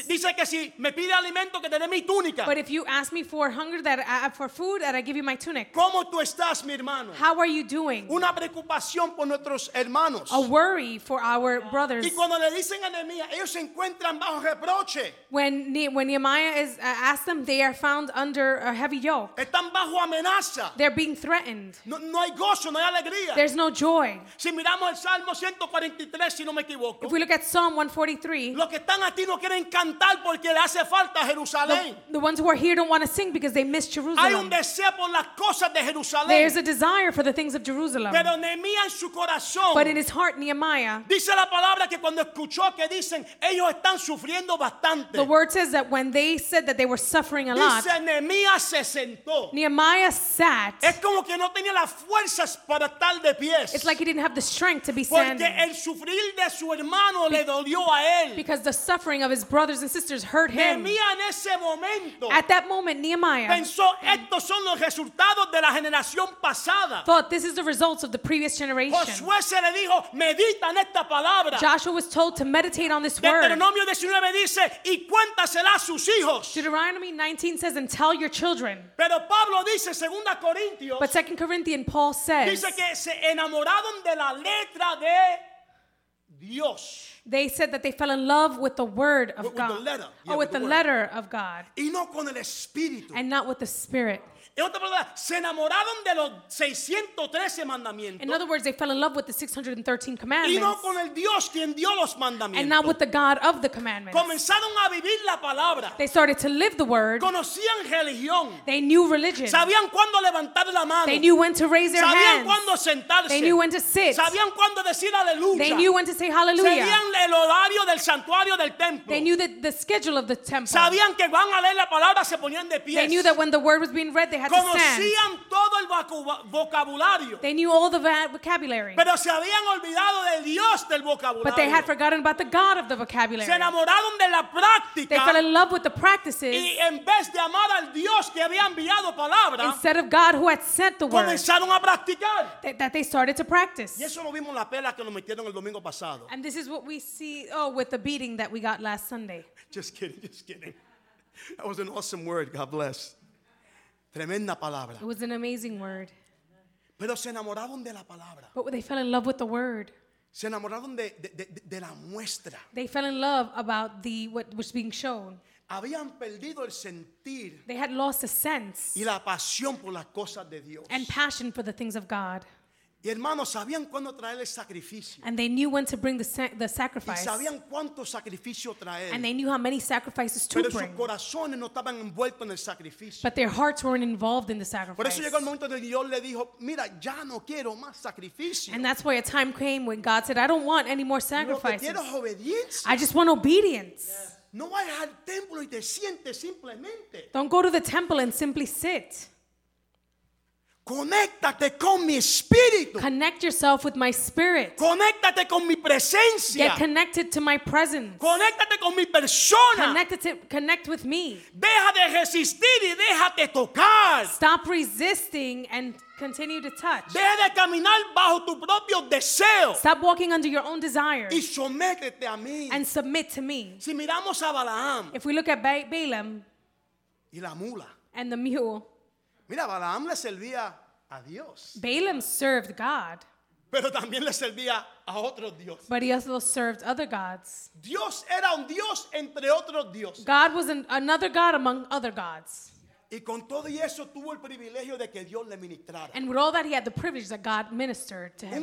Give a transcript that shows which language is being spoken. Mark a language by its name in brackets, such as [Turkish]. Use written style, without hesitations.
[Spanish] Dice que si me pide alimento que te dé mi túnica. [English] But if you ask me for hunger that for food that I give you my tunic. [Spanish] ¿Cómo tú estás, mi hermano? [English] How are you doing? [Spanish] Una preocupación por nuestros hermanos. [English] A worry for our brothers. [Spanish] Y cuando le dicen a Nehemiah, ellos se encuentran bajo reproche. [English] When Nehemiah is asked them, they are found under a heavy yoke. [Spanish] Están bajo amenaza. [English] They're being threatened. [Spanish] No hay gozo, no hay alegría. [English] There's no joy. [Spanish] Si miramos el Salmo 143, si no me equivoco. [English] If we look at Psalm 143. [Spanish] Los que están aquí no quieren cantar porque le hace falta Jerusalén. [English] The ones who are here don't want to sing because they miss Jerusalem. [Spanish] Hay un deseo por las cosas de Jerusalén. [English] There's a desire for the things of Jerusalem. [Spanish] Pero Nehemiah en su corazón, [English] but in his heart, Nehemiah, [Spanish] dice la palabra que cuando escuchó que dicen ellos están sufriendo bastante. [English] The word says that when they said that they were suffering a lot, [Spanish] dice Nehemiah se sentó. [English] Nehemiah sat. [Spanish] Es como que no tenía las fuerzas para estar de pies. [English] It's like he didn't have the strength to be [Spanish] porque [English] standing. [Spanish] Porque el sufrir de su hermano le dolió a él. [English] Because the suffering of his brothers and sisters hurt him. [Spanish] Nehemiah en ese momento, [English] at that moment, Nehemiah [Spanish] pensó estos son los resultados de la generación pasada. [English] Thought this is the results of the previous generation. [Spanish] Josué se le dijo, medita en esta palabra. [English] Joshua was told to meditate on this Deuteronomy word. [Spanish] Deuteronomy 19 dice, y cuéntasela a sus hijos. [English] Deuteronomy 19 says, and tell your children. [Spanish] Pero Pablo dice, Segunda Corintios, [English] but 2 Corinthians Paul says, [Spanish] dice que se enamoraron de la letra de Dios. [English] They said that they fell in love with the word of with God. The letter. Yeah, or with the letter of God. [Spanish] Y no con el espíritu. [English] And not with the spirit. [Spanish] En otra palabra, se enamoraron de los 613 mandamientos. [English] In other words, they fell in love with the 613 commandments. [Spanish] Y no con el Dios quien dio los mandamientos. [English] And not with the God of the commandments. [Spanish] Comenzaron a vivir la palabra. [English] They started to live the word. [Spanish] Conocían religión. [English] They knew religion. [Spanish] Sabían cuándo levantar la mano. [English] They knew when to raise their [Spanish] sabían [English] hands. [Spanish] Sabían cuándo sentarse. [English] They knew when to sit. [Spanish] Sabían cuándo decir aleluya. [English] They knew when to say hallelujah. [Spanish] Sabían el horario del santuario del templo. [English] They knew the schedule of the temple. [Spanish] Sabían que van a leer la palabra se ponían de pie. [English] They knew that when the word was being read they had [Spanish] conocían todo el vocabulario. [English] They knew all the vocabulary. [Spanish] Pero se habían olvidado del Dios del vocabulario. [English] But they had forgotten about the God of the vocabulary. [Spanish] Se enamoraron de la práctica. [English] They fell in love with the practices. [Spanish] Y en vez de amar al Dios que había enviado palabra, [English] instead of God who had sent the word, [Spanish] comenzaron a practicar. [English] That they started to practice. [Spanish] Y eso lo vimos en la pela que nos metieron el domingo pasado. [English] And this is what we see, with the beating that we got last Sunday. Just kidding. That was an awesome word. God bless. [Spanish] Tremenda palabra. [English] It was an amazing word. [Spanish] Pero se enamoraron de la palabra. [English] But they fell in love with the word. [Spanish] Se enamoraron de la muestra. [English] They fell in love about what was being shown. [Spanish] Habían perdido el sentir. [English] They had lost a sense. [Spanish] Y la pasión por las cosas de Dios. [English] And passion for the things of God. [Spanish] Y hermanos, sabían cuándo traer el sacrificio. [English] And they knew when to bring the sacrifice. [Spanish] Y sabían cuánto sacrificio traer. [English] And they knew how many sacrifices to [Spanish] pero [English] bring. [Spanish] Pero sus corazones no estaban envueltos en el sacrificio. [English] But their hearts weren't involved in the sacrifice. [Spanish] Por eso llegó el momento en que Dios le dijo, mira, ya no quiero más sacrificio. [English] And that's why a time came when God said, I don't want any more sacrifices. [Spanish] Lo que quiero es obediencia. [English] I just want obedience. Yeah. [Spanish] No vayas al templo y te sientes simplemente. [English] Don't go to the temple and simply sit. [Spanish] Conéctate con mi espíritu. [English] Connect yourself with my spirit. [Spanish] Conéctate con mi presencia. [English] Get connected to my presence. [Spanish] Conéctate con mi persona. [English] Connect with me. [Spanish] Deja de resistir y déjate tocar. [English] Stop resisting and continue to touch. [Spanish] Deja de caminar bajo tu propio deseo. [English] Stop walking under your own desires. [Spanish] Y sométete a mí. [English] And submit to me. [Spanish] Si miramos a Balaam. [English] If we look at Balaam. [Spanish] Y la mula. [English] And the mule. [Spanish] Mira, Balaam le servía a Dios. [English] Balaam served God. [Spanish] Pero también le servía a otros dioses. [English] But he also served other gods. [Spanish] Dios era un Dios entre otros dioses. [English] God was another God among other gods. [Spanish] Y con todo eso tuvo el privilegio de que Dios le ministrara. [English] And with all that he had the privilege that God ministered to him.